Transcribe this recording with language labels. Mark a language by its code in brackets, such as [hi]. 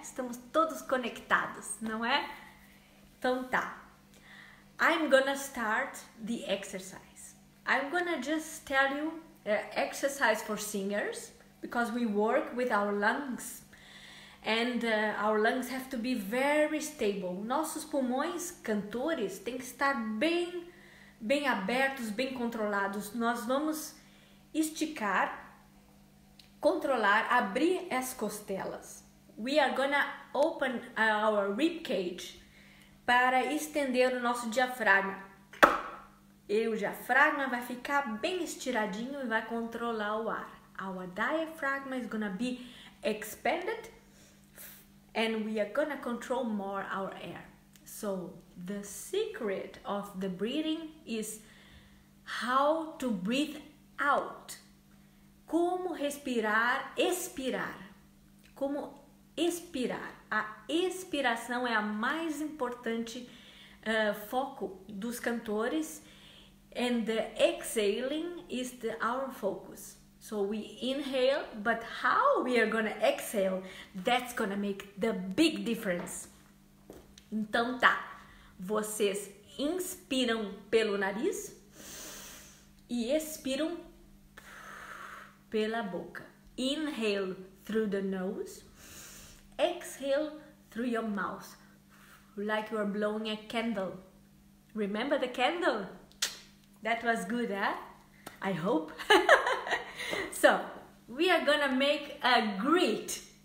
[pt] Estamos todos conectados, não é? Então, tá. [en] I'm gonna start the exercise. I'm gonna just tell you. Exercise for singers, because we work with our lungs and our lungs have to be very stable. [pt] Nossos pulmões, cantores, têm que estar bem abertos, bem controlados. Nós vamos esticar, controlar, abrir as costelas. [en] we are gonna open our rib cage [pt] para estender o nosso diafragma. E o diafragma vai ficar bem estiradinho e vai controlar o ar. [en] Our diaphragm is gonna be expanded and we are gonna control more our air. So the secret of the breathing is how to breathe out. [pt] Como respirar, expirar. Como expirar. A expiração é a mais importante foco dos cantores. [en] And the exhaling is our focus. So we inhale, but how we are gonna exhale, that's gonna make the big difference. [pt] Então tá, vocês inspiram pelo nariz e expiram pela boca. [en] Inhale through the nose, exhale through your mouth, like you are blowing a candle. Remember the candle? That was good, eh? I hope. So, we are gonna make a grid.